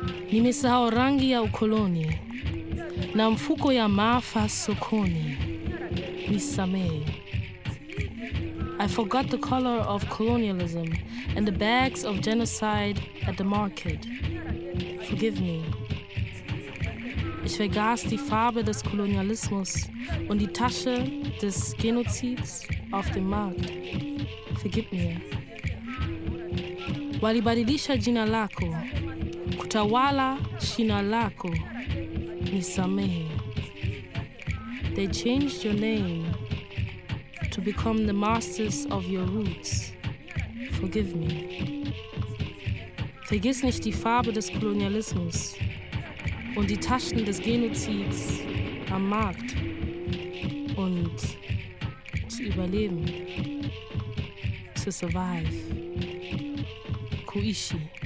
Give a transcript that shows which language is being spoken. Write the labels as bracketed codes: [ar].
[sw] Nimesahau rangi ya ukoloni, na mfuko ya maafa sokoni, nisamehe. [en] I forgot the color of colonialism and the bags of genocide at the market. Forgive me. [de] Ich vergaß die Farbe des Kolonialismus und die Tasche des Genozids auf dem Markt. [en] Forgive me. [sw] Walibadilisha jina lako, kutawala shina lako, nisamehe. [en] They changed your name to become the masters of your roots. Forgive me. [de] Vergiss nicht die Farbe des Kolonialismus und die Taschen des Genozids am Markt und zu überleben. [en] To survive. [sw] Kuishi.